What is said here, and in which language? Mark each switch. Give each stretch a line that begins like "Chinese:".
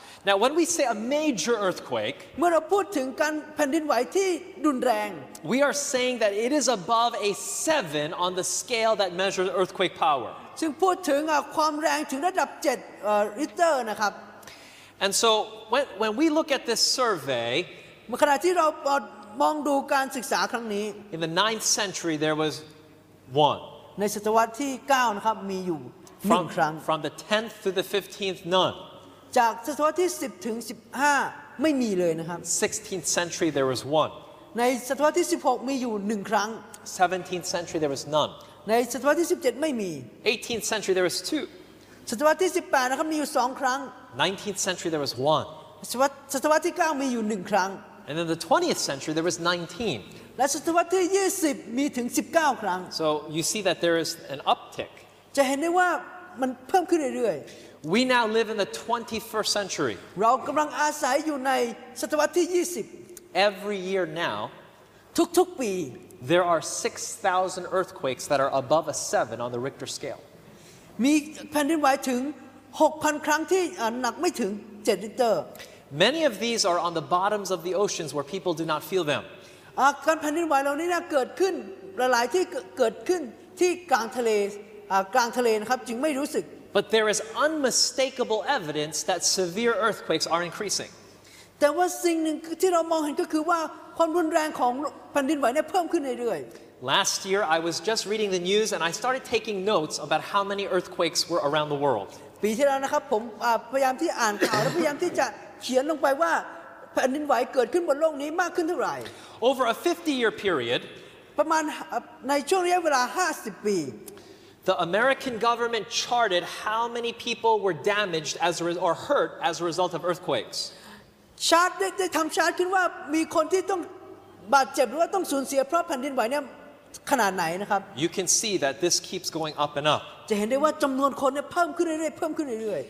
English: Now, when we say a major earthquake,
Thai: เมื่อเราพูดถึงการแผ่นดินไหวที่รุนแรง
English: we are saying that it is above a 7 on the scale that measures earthquake power.
Thai: ซึ่งพูดถึงความแรงถึงระดับ7ริกเตอร์นะครับ
English: And so when we look at this survey,
Thai: ขณะที่เรามองดูการศึกษาครั้งนี้
English: in the 9th century there was one
Thai: ในศตวรรษที่9นะครับมีอยู่1ครั้ง
English: from the 10th to the 15th none
Thai: จากศตวรรษที่10ถึง15ไม่มีเลยนะครับ
English: 16th century there was one
Thai: ในศตวรรษที่16มีอยู่1ครั้ง
English: 17th century there was none
Thai: ในศตวรรษที่17ไม่มี
English: 18th century there was two
Thai: ศตวรรษที่18นะครับมีอยู่2ครั้ง
English: 19th century there was one
Thai: ศตวรรษที่9มีอยู่1ครั้ง
English: and then the 20th century there was 19
Thai: และศตวรรษที่20มีถึง19ครั้ง
English: so you see that there is an uptick
Thai: จะเห็นได้ว่ามันเพิ่มขึ้นเรื่อย
English: we now live in the 21st century
Thai: เรากำลังอาศัยอยู่ในศตวรรษที่20
English: every year now
Thai: ทุกๆปี
English: there are 6,000 earthquakes that are above a 7 on the Richter scale
Thai: มีแผ่นดินไหวถึง 6,000 ครั้งที่หนักไม่ถึง7ริกเตอร์
English: Many of these are on the bottoms of the oceans where people do not feel them
Thai: การแผ่นดินไหวเหล่านี้เกิดขึ้นหลายๆที่เกิดขึ้นที่กลางทะเลนะครับจึงไม่รู้สึก
English: But there is unmistakable evidence that severe earthquakes are increasing
Thai: แต่ว่าสิ่งหนึ่งที่เรามองเห็นก็คือว่าความรุนแรงของแผ่นดินไหวเนี่ยเพิ่มขึ้นเรื่อยๆ
English: Last year, I was just reading the news, and I started taking notes about how many earthquakes were around the world.
Thai: ปีที่แล้วนะครับผมพยายามที่อ่านข่าวและพยายามที่จะเขียนลงไปว่าแผ่นดินไหวเกิดขึ้นบนโลกนี้มากขึ้นเท่าไหร่
English: Over a 50-year period,
Thai: ประมาณในช่วงระยะเวลา50ปี
English: the American government charted how many people were damaged or hurt as a result of earthquakes.
Thai: ชาร์ตได้ทำชาร์ตขึ้นว่ามีคนที่ต้องบาดเจ็บหรือว่าต้องสูญเสียเพราะแผ่นดินไหวเนี่ย ขนาดไหนนะครับ
English: You can see that this keeps going up and up
Thai: จะเห็นได้ว่าจํานวนคนเนี่ยเพิ่มขึ้นเรื่อยๆเพิ่มขึ้นเรื่อย